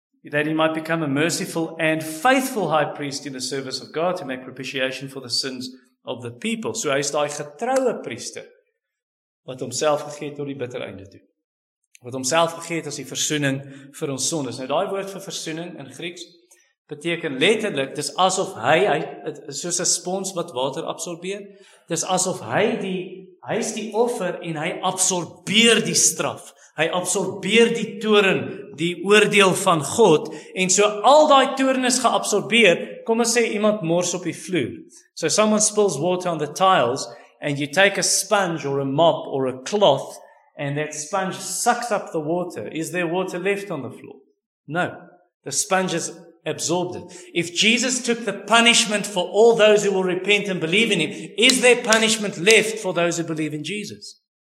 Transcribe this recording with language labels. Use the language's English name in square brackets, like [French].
[English] That he might become a merciful and faithful high priest in the service of God to make propitiation for the sins of the people. [Afrikaans] So hy is daai getroue priester wat homself gegee het tot die bitter einde toe. Wat homself gegee het as die versoening vir ons sondes. Nou daai woord vir versoening in Grieks beteken letterlik dis asof hy soos 'n spons wat water absorbeer. Dis asof hy is die offer en hy absorbeer die straf. Hy absorbeer die toorn, die oordeel van God en so al daai toorn is geabsorbeer. Kom ons sê iemand mors op die vloer. [English] So someone spills water on the tiles and you take a sponge or a mop or a cloth and that sponge sucks up the water. Is there water left on the floor? No. The sponge has absorbed it. If Jesus took the punishment for all those who will repent and believe in him, is there punishment left for those who believe in Jesus?